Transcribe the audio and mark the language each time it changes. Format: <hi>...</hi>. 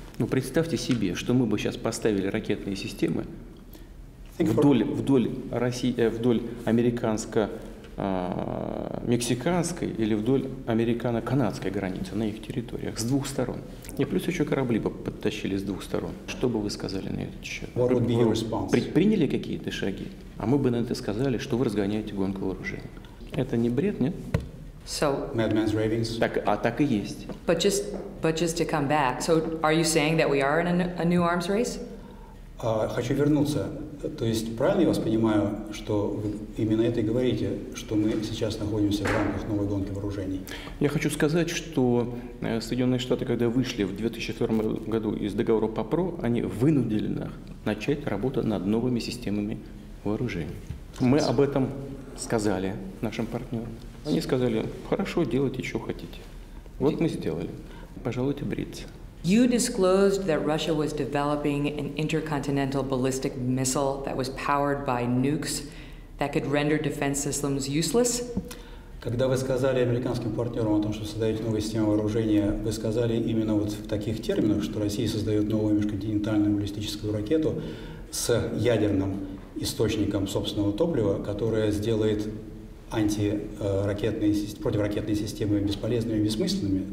<ru>Но представьте себе, что мы бы сейчас поставили ракетные системы вдоль американско-мексиканской или вдоль американо-канадской границы на их территориях с двух сторон. И плюс еще корабли бы подтащили с двух сторон. Что бы вы сказали на этот счет?</ru> <en>What would be your response?</en> <ru>Предприняли какие-то шаги? А мы бы на это сказали, что вы разгоняете гонку вооружений. Это не бред, нет?</ru> <en>So, Madman's ravings.</en> <ru>Так и есть.</ru> <en>But just to come back, so are you saying that we are in a new arms race?</en> <ru>Хочу вернуться. То есть правильно я вас понимаю, что вы именно это и говорите, что мы сейчас находимся в рамках новой гонки вооружений? Я хочу сказать, что Соединенные Штаты, когда вышли в 2002 году из договора по ПРО, они вынудили нас начать работу над новыми системами вооружений. Мы об этом сказали нашим партнерам. Они сказали, хорошо, делайте, что хотите. Вот мы сделали. Пожалуйте бриться.</ru> <en>You disclosed that Russia was developing an intercontinental ballistic missile that was powered by nukes that could render defense systems useless?</en> <ru>Когда вы сказали американским партнерам о том, что создаете новую систему вооружения, вы сказали именно вот в таких терминах, что Россия создает новую межконтинентальную баллистическую ракету с ядерным источником собственного топлива, которое сделает антиракетные, противоракетные системы бесполезными и бессмысленными.</ru>